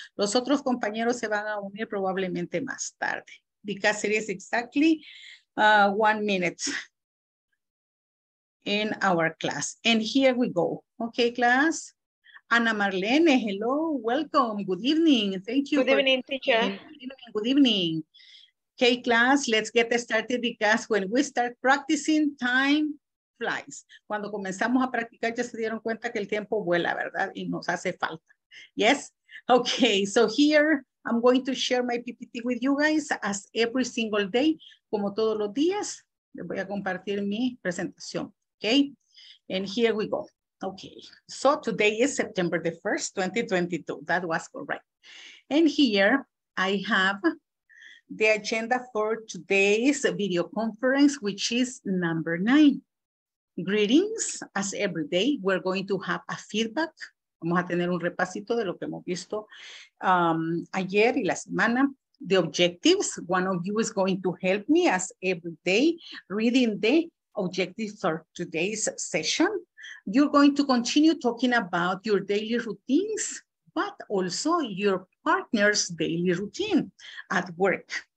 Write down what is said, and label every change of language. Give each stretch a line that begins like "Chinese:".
Spanish: Los otros compañeros se van a unir probablemente más tarde
English: because it is exactly 1 minute in our class. And here we go. Okay, class. Ana Marlene, hello, welcome, good evening. Thank you. Good evening, teacher. Good evening, good evening. Okay, class, let's get started because when we start practicing, time flies.
Spanish: Cuando comenzamos a practicar, ya se dieron cuenta que el tiempo vuela, ¿verdad? Y nos hace falta.
English: Yes? Okay, so here I'm going to share my PPT with you guys as every single day,
Spanish: como todos los días, les voy a compartir mi presentación.
English: Okay? And here we go. Okay, so today is September the 1st, 2022. That was correct. And here I have the agenda for today's video conference, which is number 9. Greetings, as every day, we're going to have a feedback.
Spanish: Vamos a tener un repasito de lo que hemos visto ayer y la semana.
English: The objectives, one of you is going to help me as every day, reading the objectives for today's session. You're going to continue talking about your daily routines, but also your partner's daily routine at work.